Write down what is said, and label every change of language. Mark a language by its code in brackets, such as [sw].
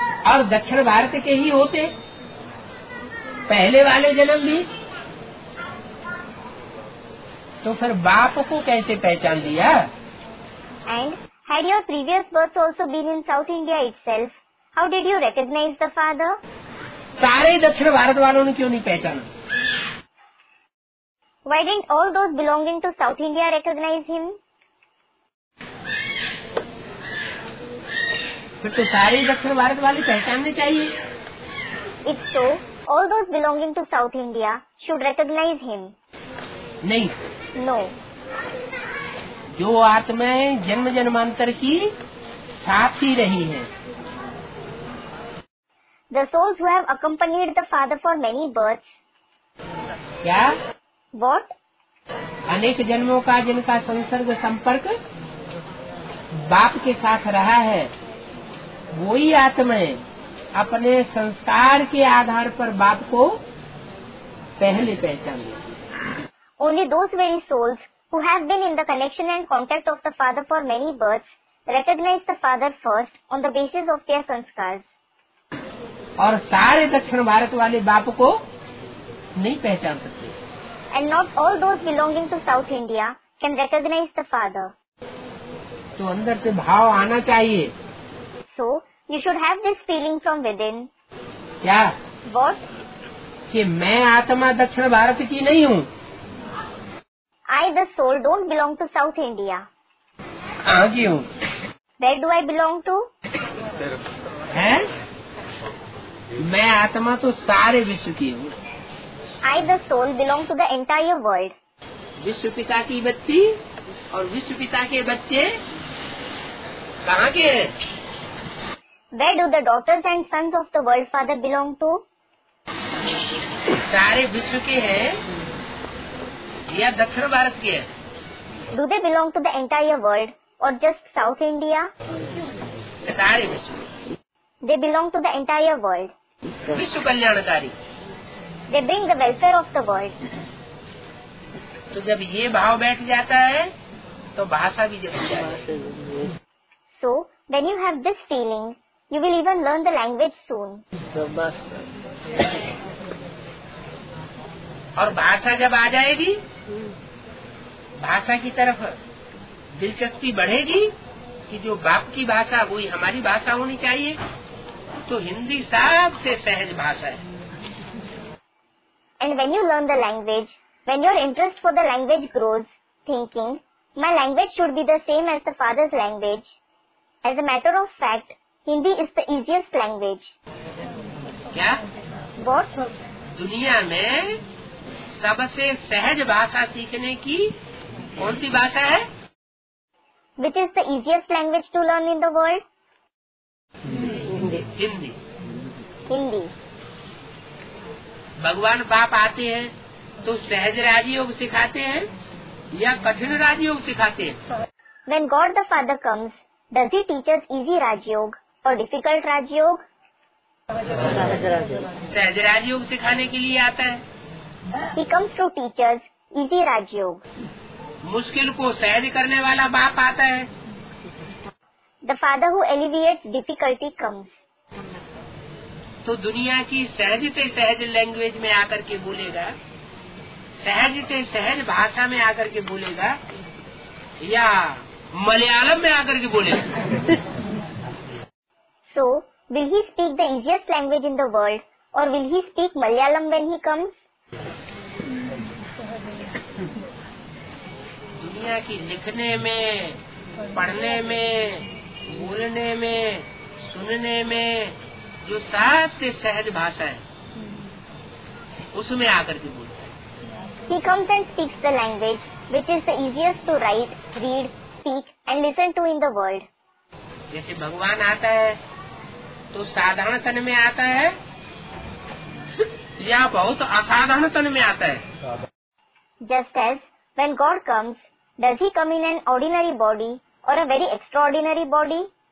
[hi] और दक्षिण भारत के ही होते पहले वाले जन्म भी, तो फिर बाप को कैसे पहचान लिया? [en] And had your previous birth also been in south India itself, how did you recognize the father? [hi] सारे दक्षिण भारत वालों ने क्यों नहीं पहचाना? [en] Why didn't all those belonging to South India recognize him? [hi] फिर तो सारे दक्षिण भारत वाले पहचानने चाहिए। [en] If so, all those belonging to South India should recognize him. [hi] नहीं। [en] No. [hi] जो आत्माएं जन्म जन्मांतर की साथ ही रही हैं। [en] The souls who have accompanied the father for many births. [hi] क्या? [en] What? [hi] अनेक जन्मों का जिनका संसर्ग संपर्क बाप के साथ रहा है, वही आत्माएं अपने संस्कार के आधार पर बाप को पहले पहचान लेती है। [en] Only those very souls who have been in the connection and contact of the father for many births recognize the father first on the basis of their sanskar. [hi] और सारे दक्षिण भारत वाले बाप को नहीं पहचान सकते। [en] And not all those belonging to South India can recognize the father. [hi] तो अंदर से भाव आना चाहिए। [en] So you should have this feeling from within. [hi] क्या? [en] What? [hi] कि मैं आत्मा दक्षिण भारत की नहीं हूँ। [en] I the soul don't belong to South India. [hi] कहाँ की हूँ? [en] Where do I belong to? [hi] हैं? मैं आत्मा तो सारे विश्व की हूँ। [en] I the soul belong to the entire world. [hi] विश्व पिता की बच्ची और विश्व पिता के बच्चे कहाँ के हैं? [en] Where do the daughters and sons of the world father belong to? [hi] सारे विश्व के हैं या दक्षिण भारत के हैं? [en] Do they belong to the entire world or just South India? [hi] सारे विश्व। [en] They belong to the entire world. [hi] विश्व कल्याणकारी। [en] They bring the welfare of the world. [hi] तो जब ये भाव बैठ जाता है तो भाषा भी जब [en] So when you have this feeling, you will even learn the language soon. [hi] और भाषा जब आ जाएगी, भाषा की तरफ दिलचस्पी बढ़ेगी कि जो बाप की भाषा वही हमारी भाषा होनी चाहिए, तो हिंदी सबसे सहज भाषा है। [en] And when you learn the language, when your interest for the language grows, thinking, my language should be the same as the father's language. As a matter of fact, Hindi is the easiest language. [hi] क्या? [en] What? [hi] दुनिया में सबसे सहज भाषा सीखने की कौन सी भाषा है? [en] Which is the easiest language to learn in the world? Hindi. Hindi. [hi] भगवान बाप आते हैं तो सहज राजयोग सिखाते हैं या कठिन राजयोग सिखाते हैं? [en] When God the Father comes, does he teach us easy Rajyoga or difficult Rajyoga? [hi] सहज राजयोग सिखाने के लिए आता है। [en] He comes to teach us easy Rajyoga. [hi] मुश्किल को सहज करने वाला बाप आता है। [en] The Father who alleviates difficulty comes. [hi] तो दुनिया की सहज से सहज लैंग्वेज में आकर के बोलेगा, सहज से सहज भाषा में आकर के बोलेगा या मलयालम में आकर के बोलेगा? [en] So, will he speak the easiest language in the world or will he speak Malayalam when he comes? [hi] दुनिया की लिखने में, पढ़ने में, बोलने में, सुनने में जो सबसे सहज भाषा है उसमें आकर के बोलता है। [en] He comes and speaks the language which is the easiest to write, read, speak and listen to in the world. [hi] जैसे भगवान आता है तो साधारण तन में आता है या बहुत असाधारण तन में आता है? [en] Just as when God comes, does he come in an ordinary body or a very extraordinary body?